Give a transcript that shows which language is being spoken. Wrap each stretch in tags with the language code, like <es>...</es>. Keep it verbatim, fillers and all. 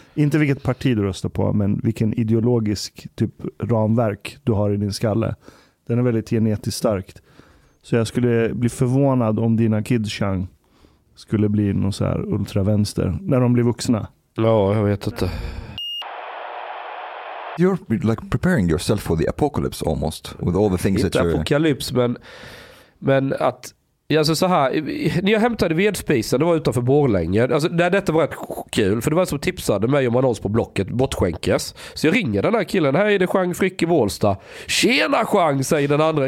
<sv>Inte vilket parti du röstar på, men vilken ideologisk typ ramverk du har i din skalle. Den är väldigt genetiskt starkt. Så jag skulle bli förvånad om dina kids-chang skulle bli någon så här ultravänster när de blir vuxna. Ja, jag vet inte.</sv> <en>You're like preparing yourself for the apocalypse almost with all the things</en> <sv>inte</sv> <en>that you</en> <sv>apokalyps, men men att alltså så här, när jag hämtade vedspisen, det var utanför Borlänge. Alltså det, detta var rätt kul, för det var som tipsade mig om annons på Blocket, bortskänkes. Så jag ringer den här killen, här är det Jean Frick i Vålsta. Tjena Jean, säger den andra.</sv>